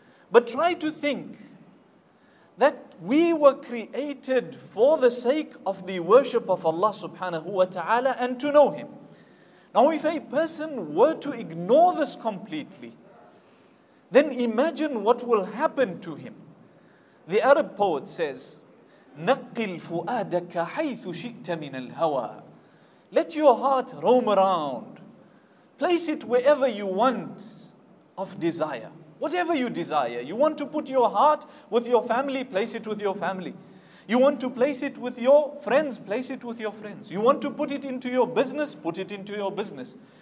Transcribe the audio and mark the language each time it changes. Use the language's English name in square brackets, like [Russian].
[English] But try to think that we were created for the sake of the worship of Allah subhanahu wa ta'ala and to know Him. Now if a person were to ignore this completely, then imagine what will happen to him. The Arab poet says, [Arabic] نَقِّلْ فُؤَادَكَ حَيْثُ شِئْتَ مِنَ الْهَوَىٰ. [English] Let your heart roam around. Place it wherever you want of desire. Whatever you desire. You want to put your heart with your family, place it with your family. You want to place it with your friends, place it with your friends. You want to put it into your business, put it into your business.